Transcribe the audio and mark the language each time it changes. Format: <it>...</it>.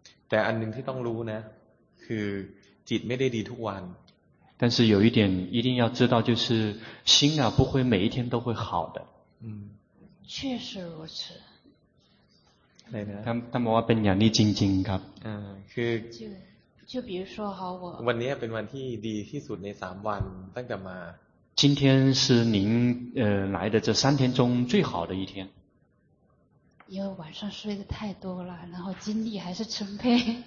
<th>แต่อันนึงที่ต้องรู้นะคือจิตไม่ได้ดีทุกวัน</th> <zh>但是有一点一定要知道就是心啊不会每一天都会好的确实如此他们说</zh> <th>เป็นอย่างนี้จริงๆครับ คือ</th> <zh>就比如说好我</zh> <th>วันนี้เป็นวันที่ดีที่สุดใน3วันตั้งแต่มา</th> <zh>今天是您来的这三天中最好的一天。因为晚上睡得太多了，然后精力还是充沛。</zh>